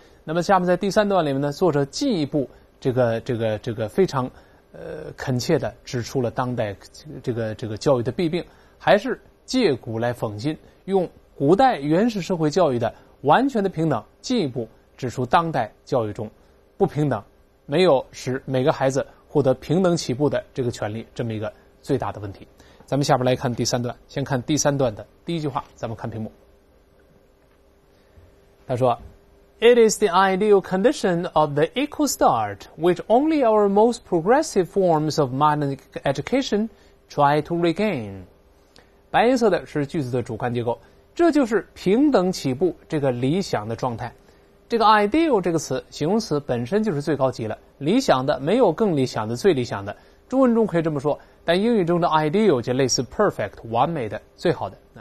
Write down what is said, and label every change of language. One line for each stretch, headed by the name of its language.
Chinese: 那么下面在第三段里面呢，作者进一步这个非常恳切的指出了当代这个教育的弊病，还是借古来讽今，用古代原始社会教育的完全的平等进一步指出当代教育中不平等，没有使每个孩子获得平等起步的这个权利这么一个最大的问题。咱们下边来看第三段，先看第三段的第一句话，咱们看屏幕。他说
English: It is the ideal condition of the equal start which only our most progressive forms of modern education try to regain。
Chinese: 白颜色的是句子的主干结构，这就是平等起步这个理想的状态。这个 ideal 这个词形容词本身就是最高级了，理想的，没有更理想的，最理想的，中文中可以这么说，但英语中的 ideal 就类似 perfect 完美的最好的。